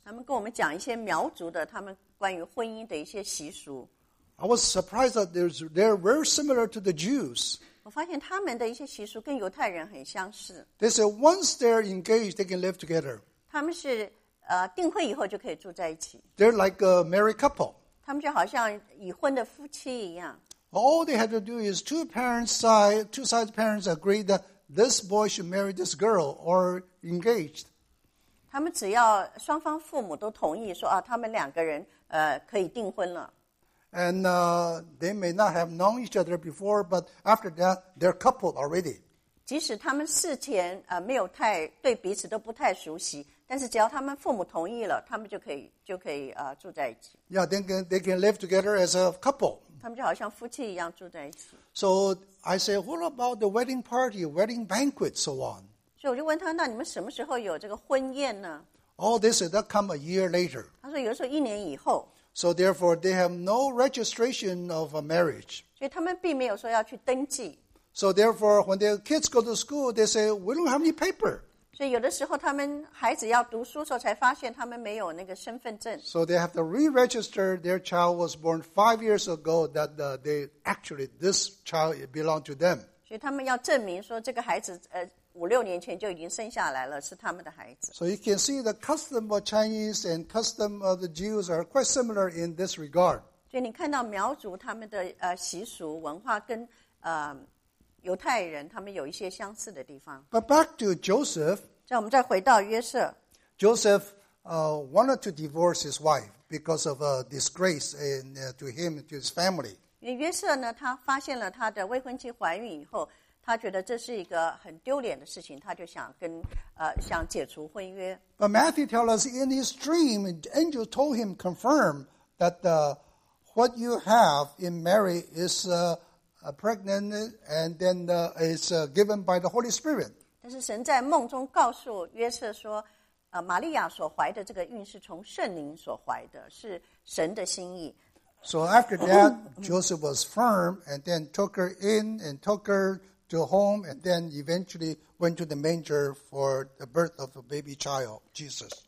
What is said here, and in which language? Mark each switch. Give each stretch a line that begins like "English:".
Chinese: 他们跟我们讲一些苗族的他们。关于婚姻的一些习俗
English: I was surprised that they're very similar to the Jews.
Chinese: 我发现他们的一些习俗跟犹太人很相似
English: They say once they're engaged, they can live together.
Chinese: 他们是订婚以后就可以住在一起
English: They're like a married couple.
Chinese: 他们就好像已婚的夫妻一样
English: All they have to do is two sides parents agree that this boy should marry this girl or engaged.
Chinese: 他们只要双方父母都同意说他们两个人可以订婚了。
English: And they may not have known each other before, but after that, they're coupled already.
Chinese: 即使他们事前没有太对彼此都不太熟悉，但是只要他们父母同意了，他们就可以住在一起。
English: Yeah, they can live together as a couple.
Chinese: 他们就好像夫妻一样住在一起。
English: So I say, what about the wedding party, wedding banquet, so on?
Chinese: 所以我就问他，那你们什么时候有这个婚宴呢？
English: All this is that come a year later.
Chinese: 他说有时候一年以后。
English: So therefore, they have no registration of a marriage.
Chinese: 所以他们并没有说要去登记。
English: So therefore, when their kids go to school, they say, we don't have any paper.
Chinese: 所以有的时候他们孩子要读书的时候才发现他们没有那个身份证。
English: So they have to re-register their child was born 5 years ago that they actually this child belonged to them.
Chinese: 所以他们要证明说这个孩子五六年前就已经生下来了是他们的孩子。
English: So you can see the custom of Chinese and custom of the Jews are quite similar in this regard.
Chinese: 所以你看到苗族他们的习俗文化跟犹太人他们有一些相似的地方。
English: But back to Joseph.
Chinese: 那我们再回到约瑟。
English: Joseph wanted to divorce his wife because of a disgrace and to him and to his family.
Chinese: 因为约瑟呢，他发现了他的未婚妻怀孕以后，他觉得这是一个很丢脸的事情，他就想跟想解除婚约。
English: But Matthew tells us in his dream, an angel told him confirm that what you have in Mary is pregnant and then it's given by the Holy Spirit.
Chinese: 但是神在梦中告诉约瑟说，玛利亚所怀的这个孕是从圣灵所怀的，是神的心意。
English: So after that, Joseph was firm and then took her in and took her to home and then eventually went to the manger for the birth of a baby child, Jesus.